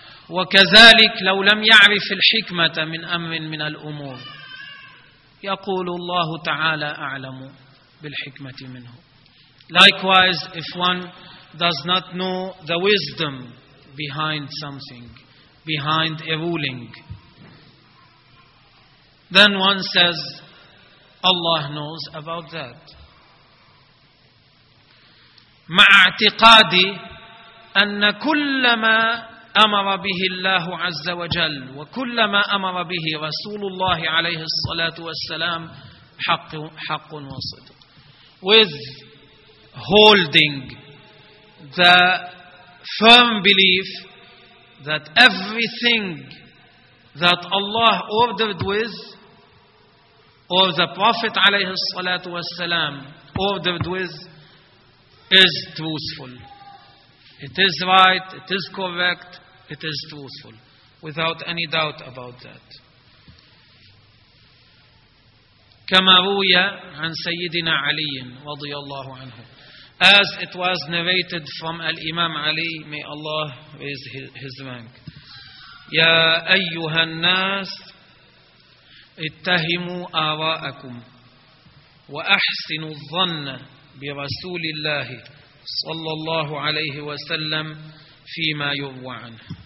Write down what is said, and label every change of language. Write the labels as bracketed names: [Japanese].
[Arabic] وكذلك لو لم يعرف الحكمة من أمر من الأمور يقول الله تعالى أعلم بالحكمة منه. [English] Likewise, if one does not know the wisdom behind something, behind a ruling, then one says, Allah knows about that. [Arabic] مع اعتقادي أن كل ما أمر به الله عز وجل وكل ما أمر به رسول الله عليه الصلاة والسلام حق وصدق. [English] With holding the firm belief that everything that Allah ordered with or the Prophet [Arabic] عليه الصلاة والسلام [English] ordered with is truthful. It is right, it is correct, it is truthful, without any doubt about that. [Arabic] كما روي عن سيدنا علي رضي الله عنه, [English] as it was narrated from Al-Imam Ali, may Allah raise his rank. [Arabic] يا أيها الناس اتهموا آراءكم وأحسنوا الظن برسول الله صلى الله عليه وسلم فيما يروى عنه.